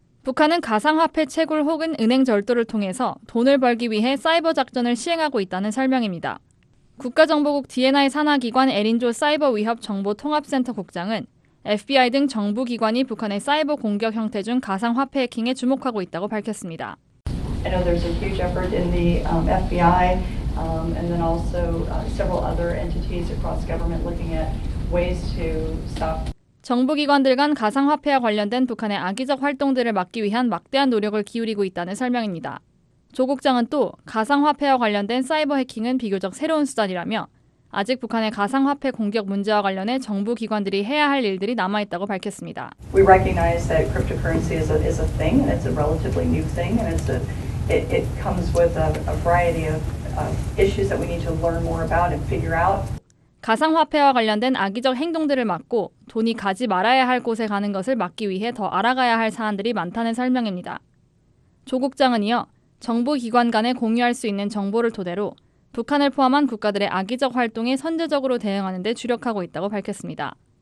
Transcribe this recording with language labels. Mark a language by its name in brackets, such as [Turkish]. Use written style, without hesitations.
[Korean] 북한은 가상화폐 채굴 혹은 은행 절도를 통해서 돈을 벌기 위해 사이버 작전을 시행하고 있다는 설명입니다. 국가정보국 DNI 산하기관 에린조 사이버 위협 정보 통합센터 국장은 FBI 등 정부 기관이 북한의 사이버 공격 형태 중 가상화폐 해킹에 주목하고 있다고 밝혔습니다. [English] I know there's a huge effort in the FBI and then also several other entities across government looking at ways to stop. [Korean] 정부 기관들 간 가상화폐와 관련된 북한의 악의적 활동들을 막기 위한 막대한 노력을 기울이고 있다는 설명입니다. 조 국장은 또 가상화폐와 관련된 사이버 해킹은 비교적 새로운 수단이라며 아직 북한의 가상화폐 공격 문제와 관련해 정부 기관들이 해야 할 일들이 남아있다고 밝혔습니다. [English] We recognize that cryptocurrency is a thing, and it's a relatively new thing, and it comes with a variety of issues that we need to learn more about and figure out. [Korean] 가상화폐와 관련된 악의적 행동들을 막고 돈이 가지 말아야 할 곳에 가는 것을 막기 위해 더 알아가야 할 사안들이 많다는 설명입니다. 조 국장은 이어 정부 기관 간에 공유할 수 있는 정보를 토대로 북한을 포함한 국가들의 악의적 활동에 선제적으로 대응하는 데 주력하고 있다고 밝혔습니다.